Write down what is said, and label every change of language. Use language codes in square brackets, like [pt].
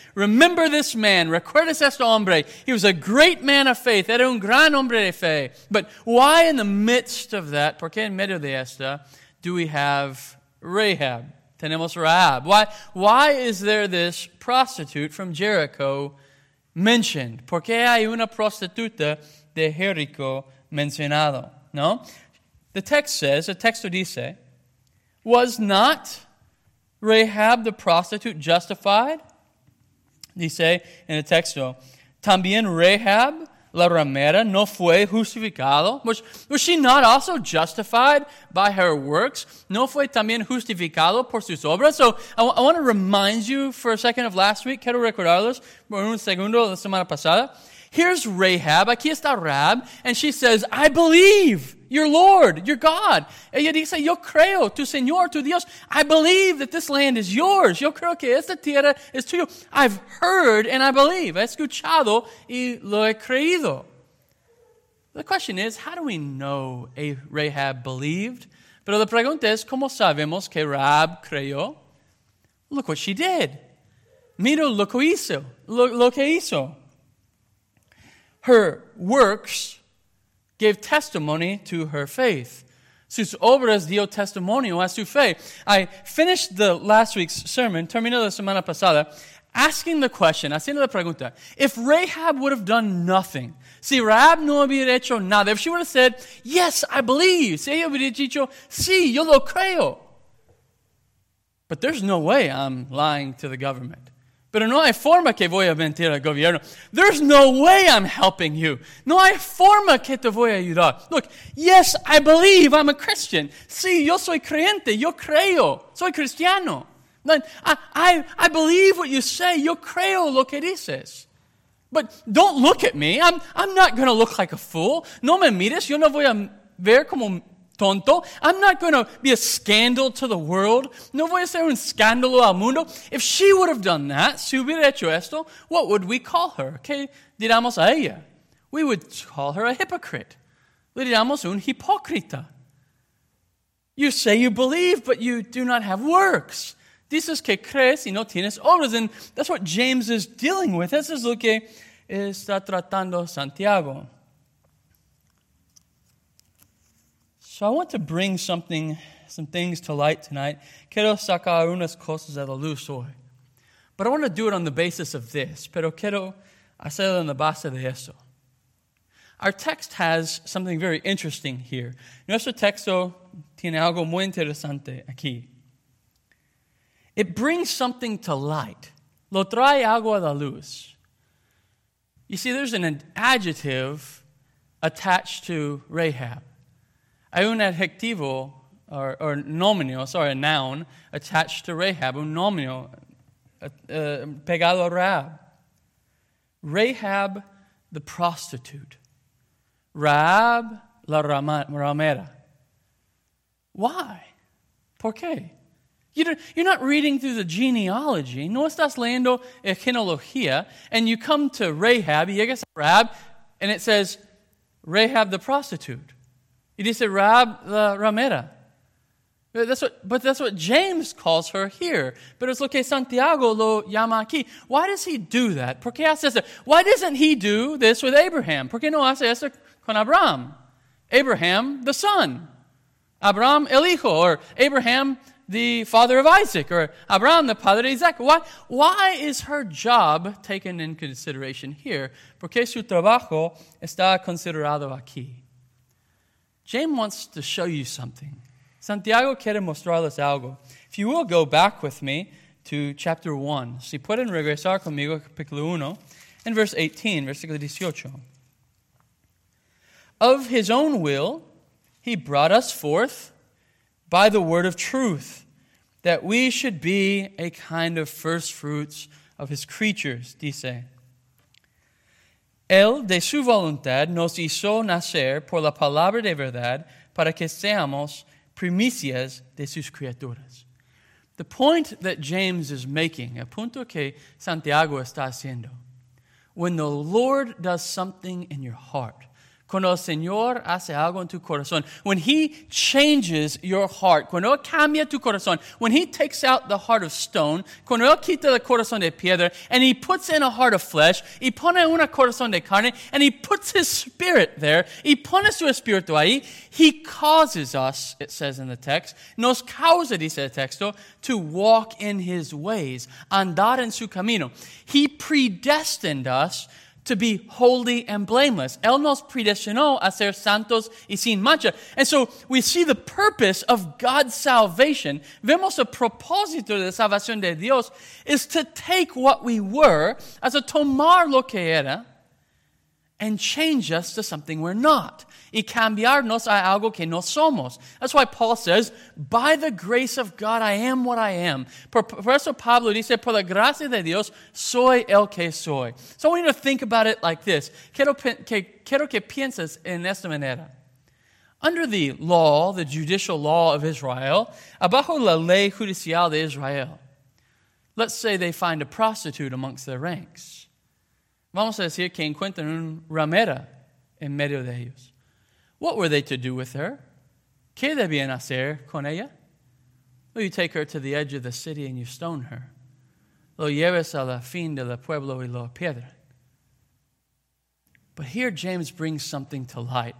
[en] Remember this man, [es] recuerdes este hombre. [en] He was a great man of faith, [es] era un gran hombre de fe. [en] But why in the midst of that, [es] ¿por qué en medio de esta, [en] do we have Rahab? [es] Tenemos Rahab. [en] Why is there this prostitute from Jericho mentioned? [es] ¿Por qué hay una prostituta de Jericho mencionado? No? [en] The text says, the [es] texto dice, [en] was not Rahab the prostitute justified? [es] Dice in the texto, también Rahab la ramera no fue justificado. [en] Was she not also justified by her works? [es] No fue también justificado por sus obras? [en] So I want to remind you for a second of last week. [es] Quiero recordarlos por un segundo la semana pasada. [en] Here's Rahab. [es] Aquí está Rahab. [en] And she says, I believe your Lord, your God. [es] Ella dice, yo creo tu Señor, tu Dios. [en] I believe that this land is yours. [es] Yo creo que esta tierra es tuya. [en] I've heard and I believe. [es] He escuchado y lo he creído. [en] The question is, how do we know a Rahab believed? [es] Pero la pregunta es, ¿cómo sabemos que Rahab creyó? [en] Look what she did. [es] Mira lo que hizo. Lo que hizo. [en] Her works gave testimony to her faith. [es] Sus obras dio testimonio a su fe. [en] I finished the last week's sermon, [es] terminé la semana pasada, [en] asking the question, [es] haciendo la pregunta, [en] if Rahab would have done nothing, [es] si Rahab no hubiera hecho nada, [en] if she would have said, yes, I believe, [es] si ella hubiera dicho, sí, yo lo creo. [en] But there's no way I'm lying to the government. [es] Pero no hay forma que voy a mentir al gobierno. [en] There's no way I'm helping you. [es] No hay forma que te voy a ayudar. [en] Look, yes, I believe I'm a Christian. [es] Sí, yo soy creyente. Yo creo. Soy cristiano. [en] I believe what you say. [es] Yo creo lo que dices. [en] But don't look at me. I'm not going to look like a fool. [es] No me mires. Yo no voy a ver como tonto. [en] I'm not going to be a scandal to the world. [es] No voy a ser un escándalo al mundo. [en] If she would have done that, [es] si hubiera hecho esto, [en] what would we call her? [es] ¿Qué diríamos a ella? [en] We would call her a hypocrite. [es] Le diríamos un hipócrita. [en] You say you believe, but you do not have works. [es] Dices que crees y no tienes obras. [en] And that's what James is dealing with. This is [es] lo que está tratando Santiago. [en] So I want to bring some things to light tonight. [es] Quiero sacar unas cosas a la luz hoy. [en] But I want to do it on the basis of this. [es] Pero quiero hacerlo en la base de eso. [en] Our text has something very interesting here. [es] Nuestro texto tiene algo muy interesante aquí. [en] It brings something to light. [es] Lo trae algo a la luz. [en] You see, there's an adjective attached to Rahab. [es] Hay un adjetivo, [en] or nominio, sorry, a noun, attached to Rahab. [es] Un nominio pegado a Rahab. Rahab, [en] the prostitute. [es] Rahab, la ramera. [en] Why? [es] ¿Por qué? [en] You're not reading through the genealogy. [es] No estás leyendo genealogía. [en] And you come to Rahab, [es] y llegas a Rahab, [en] and it says, Rahab the prostitute. [es] Y dice, Rahab la ramera. [en] But that's what James calls her here. [es] Pero es lo que Santiago lo llama aquí. [en] Why does he do that? [es] ¿Por qué hace eso? [en] Why doesn't he do this with Abraham? [es] ¿Por qué no hace eso con Abraham? [en] Abraham, the son. Abraham, [es] el hijo. [en] Or Abraham, the father of Isaac. Or Abraham, the [es] padre de Isaac. [en] Why is her job taken in consideration here? [es] Porque su trabajo está considerado aquí. [en] James wants to show you something. [es] Santiago quiere mostrarles algo. [en] If you will go back with me to chapter 1. [es] Si pueden regresar conmigo, capítulo 1, [en] and verse 18, [es] versículo 18. [en] Of his own will, he brought us forth by the word of truth, that we should be a kind of first fruits of his creatures, dice. [es] Él de su voluntad nos hizo nacer por la palabra de verdad para que seamos primicias de sus criaturas. [en] The point that James is making, [es] el punto que Santiago está haciendo, [en] when the Lord does something in your heart, [es] cuando el Señor hace algo en tu corazón, [en] when he changes your heart, [es] cuando él cambia tu corazón, [en] when he takes out the heart of stone, [es] cuando él quita el corazón de piedra, [en] and he puts in a heart of flesh, [es] y pone un corazón de carne, [en] and he puts his spirit there, [es] y pone su espíritu ahí, [en] he causes us, it says in the text, [es] nos causa, dice el texto, [en] to walk in his ways, [es] andar en su camino. [en] He predestined us to be holy and blameless. [es] Él nos predestinó a ser santos y sin mancha. [en] And so we see the purpose of God's salvation. [es] Vemos el propósito de la salvación de Dios [en] is to take what we were, [es] as a tomar lo que era, and change us to something we're not. Y cambiarnos a algo que no somos. [en] That's why Paul says, by the grace of God, I am what I am. [es] Por eso Pablo dice, por la gracia de Dios, soy el que soy. [en] So I want you to think about it like this. [es] Quiero que pienses en esta manera. [en] Under the law, the judicial law of Israel, [es] abajo la ley judicial de Israel, [en] let's say they find a prostitute amongst their ranks. [es] Vamos a decir que encuentran un ramera en medio de ellos. [en] What were they to do with her? [es] ¿Qué debían hacer con ella? [en] Well, you take her to the edge of the city and you stone her. [es] Lo lleves a la fin de la pueblo y lo piedra. [en] But here James brings something to light.